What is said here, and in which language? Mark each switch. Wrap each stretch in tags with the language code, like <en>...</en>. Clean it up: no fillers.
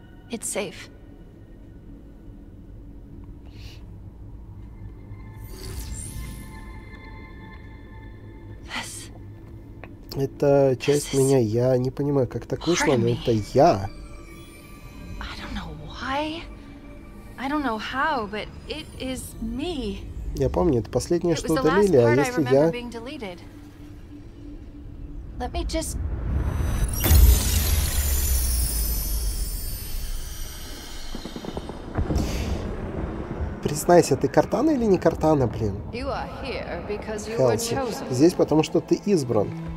<en>It's safe. This.</en> <ru>Это часть this меня, я не понимаю, как так вышло, но это я.</ru> <en>I don't know why. I don't know how, but it is me.</en> <ru>Я помню, это последнее, что удалили, а если я...</ru> <en>Let me just...</en> <ru>Признайся, ты Картана или не Картана, блин? Хелси, здесь потому что ты избран.</ru>